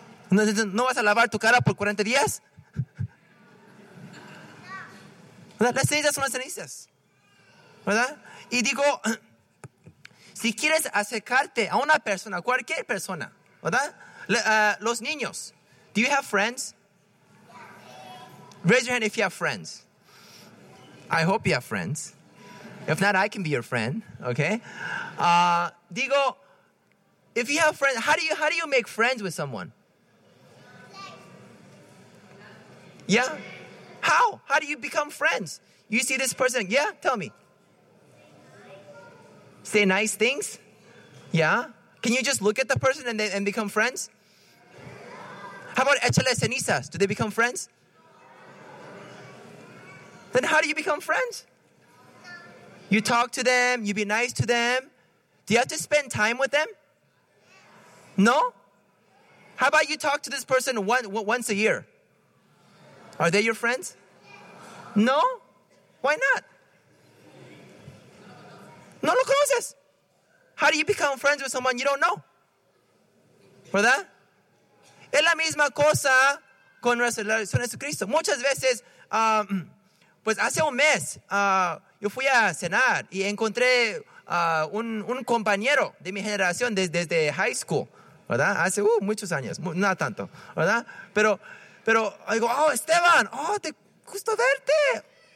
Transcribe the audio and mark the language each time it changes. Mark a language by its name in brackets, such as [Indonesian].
[Spanish] ¿No vas a lavar tu cara por 40 días? Las cenizas son las cenizas, ¿verdad? Y digo, si quieres acercarte a una persona, cualquier persona, ¿verdad? Los niños. [English] Do you have friends? Raise your hand if you have friends. I hope you have friends. If not, I can be your friend, okay? Digo, If you have friends, how do you make friends with someone? Yeah? How? How do you become friends? You see this person, yeah? Tell me. Say nice things? Yeah? Can you just look at the person and then become friends? How about [Spanish] Echele Senisas? [English] Do they become friends? Then how do you become friends? You talk to them, you be nice to them. Do you have to spend time with them? No? How about you talk to this person once a year? Are they your friends? No? Why not? [Spanish] No lo conoces. [English] How do you become friends with someone you don't know? [Spanish] ¿Verdad? Es la misma cosa con relación a Jesucristo. Muchas veces, pues hace un mes, yo fui a cenar y encontré un compañero de mi generación desde high school, ¿verdad? Hace muchos años, no tanto, ¿verdad? Pero digo, oh, Esteban, oh, te gusto verte.